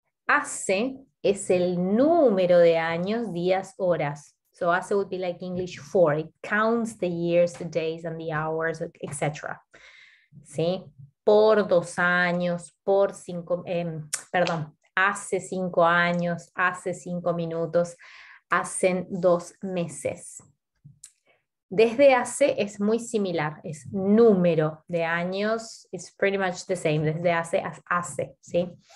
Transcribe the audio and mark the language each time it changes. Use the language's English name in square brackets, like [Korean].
[Spanish] Hace es el número de años, días, horas. [English] So, hace would be like English for. It counts the years, the days, and the hours, etc. [Spanish] ¿Sí? Por dos años, por cinco, perdón, hace cinco años, hace cinco minutos, hacen dos meses. Desde hace es muy similar, es número de años, [English] it's pretty much the same, [Spanish] desde hace, hace, ¿sí?